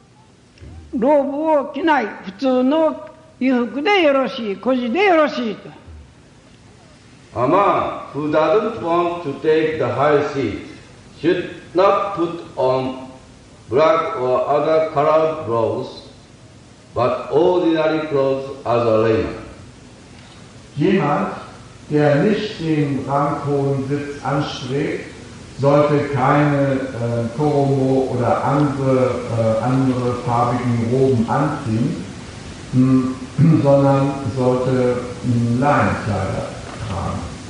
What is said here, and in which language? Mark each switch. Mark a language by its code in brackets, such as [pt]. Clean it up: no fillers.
[ja] どこに座っても構わない人は、ローブを着ない、普通の 衣服でよろしい、小路でよろしいと。 [en] A man who doesn't want to take the high seat should not put on black or other colored clothes, but ordinary clothes as a layman. [de] Jemand, der nicht den ranghohen Sitz anstrebt, sollte keine Koromo oder andere farbigen Roben anziehen, sondern sollte Laienkleider tragen.